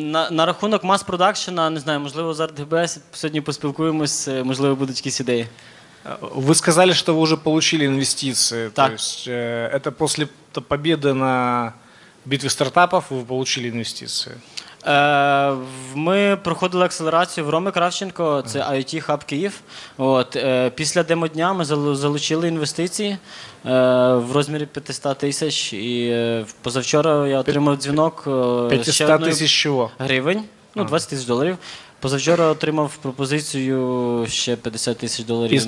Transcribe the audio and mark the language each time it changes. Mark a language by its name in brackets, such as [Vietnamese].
[Ukrainian] На рахунок мас-продакшена, не знаю, можливо, зараз ГБС сьогодні поспілкуємось, можливо, будуть якісь ідеї. [Russian] Вы сказали, что вы уже получили инвестиции. [Ukrainian] Так. [Russian] То есть это после победы на битве стартапов вы получили инвестиции? Мы проходили акселерацию в Роме Кравченко, это IT-хаб Киев. От, после демо-дня мы залучили инвестиции [Ukrainian] в розмірі 500 тисяч. И позавчора я отримав дзвінок. [Russian] 500 тисяч чего? [Ukrainian] Гривень. Ну, 20 тисяч доларів. Позавчора отримав пропозицію ще 50 тисяч доларів.